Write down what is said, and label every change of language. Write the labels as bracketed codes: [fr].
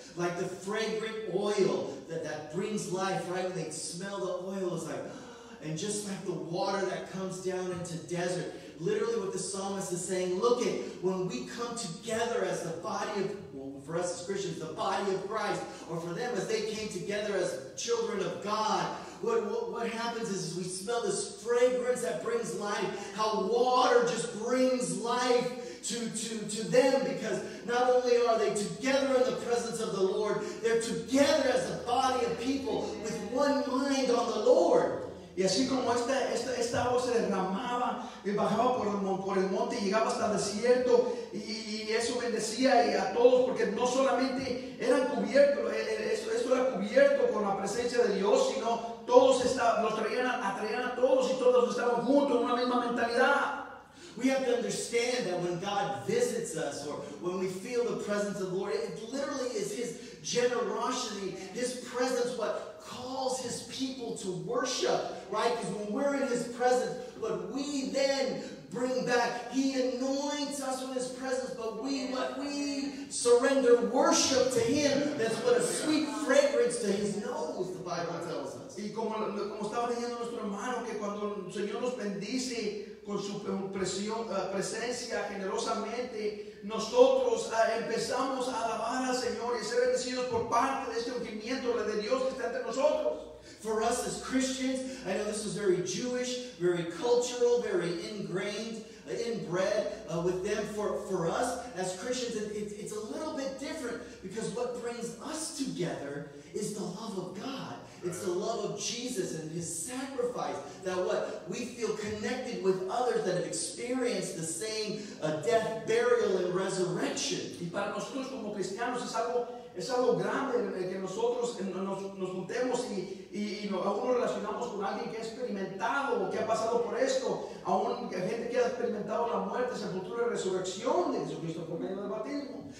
[en] Like the fragrant oil that brings life, right? When they smell the oil, it's like, and just like the water that comes down into desert. Literally what the psalmist is saying, look it, when we come together as the body of, well, for us as Christians, the body of Christ, or for them as they came together as children of God, what happens is we smell this fragrance that brings life, how water just brings life to them, because not only are they together in the presence of the Lord, they're together as a body of people with one mind on the Lord. [es] Y así como esta agua se derramaba y bajaba por el monte y llegaba hasta el desierto, y eso bendecía y a todos, porque no solamente eran cubiertos, esto era cubierto con la presencia de Dios, sino todos los atraían a todos, y todos estaban juntos en una misma mentalidad. [en] We have to understand that when God visits us, or when we feel the presence of the Lord, it literally is His generosity, His presence, what calls His people to worship, right? Because when we're in His presence, what we then bring back, He anoints us with His presence, but we surrender worship to Him. That's what a sweet fragrance to His nose, the Bible tells us. [es] Y como estaba diciendo nuestro hermano, que cuando el Señor nos bendice con su presencia generosamente, nosotros empezamos a alabar al Señor y ser bendecidos por parte de este ungimiento de Dios que está entre nosotros. [en] For us as Christians, I know this is very Jewish, very cultural, very ingrained, inbred with them. For us as Christians, it's a little bit different, because what brings us together is the love of God. It's the love of Jesus and his sacrifice, that what we feel connected with others that have experienced the same death, burial, and resurrection. [es] Y para nosotros como cristianos es algo grande que nosotros nos juntemos y aún nos relacionamos con alguien que ha experimentado o que ha pasado por esto, aún gente que ha experimentado la muerte, esa futura resurrección de Jesucristo por medio del bautismo.